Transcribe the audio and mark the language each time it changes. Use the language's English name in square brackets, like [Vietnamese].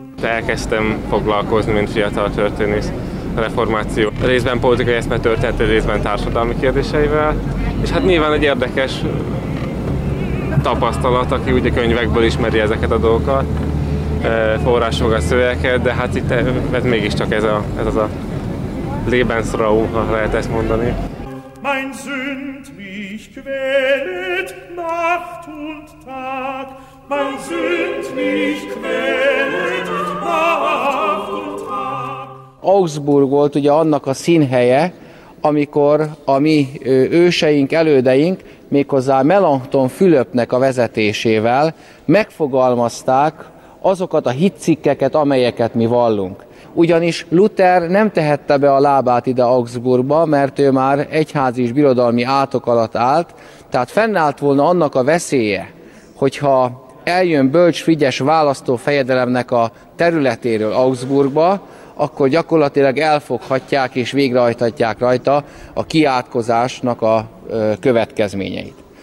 [Hungarian] Elkezdtem foglalkozni, mint fiatal történész, a reformáció részben politikai eszmetörténeti, részben társadalmi kérdéseivel, és hát nyilván egy érdekes tapasztalat, aki ugye könyvekből ismeri ezeket a dolgokat, forrásokat, szövegeket, de hát itt ez mégiscsak ez az a Lebensraum, ha lehet ezt mondani. [German] Mein Sünd mich quälet Nacht und Tag. Mein Sünd mich quälet Nacht und Tag. [Hungarian] Augsburg volt ugye annak a színhelye, amikor a mi őseink, elődeink, méghozzá Melanchthon Fülöpnek a vezetésével megfogalmazták azokat a hitcikkeket, amelyeket mi vallunk. Ugyanis Luther nem tehette be a lábát ide Augsburgba, mert ő már egyházi és birodalmi átok alatt állt, tehát fennállt volna annak a veszélye, hogyha eljön bölcs Frigyes választó fejedelemnek a területéről Augsburgba, akkor gyakorlatilag elfoghatják és végrehajthatják rajta a kiátkozásnak a következményeit.